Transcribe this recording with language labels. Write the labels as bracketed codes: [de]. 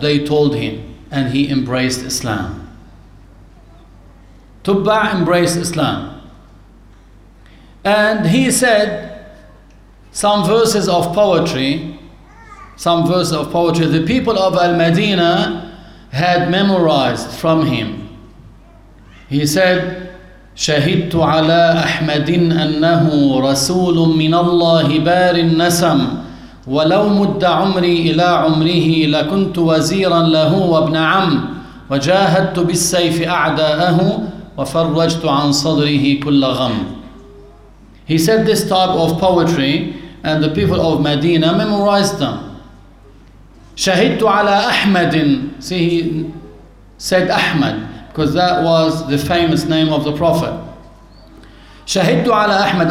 [en] They told him, and he embraced Islam. Tubba embraced Islam. And he said some verses of poetry, the people of Al-Madinah had memorized from him. He said, [ar] شهدت على أحمد أنه رسول من الله بار النسم ولو مد عمري إلى عمره لكنت وزيرا له وابن عم وجاهدت بالسيف أعداءه وفرجت عن صدره كل غم. [en] He said this type of poetry and the people of Medina memorized them. [ar] شهدت على أحمد. [en] See, he said Ahmad, because that was the famous name of the Prophet. [ar] شهدت على أحمد.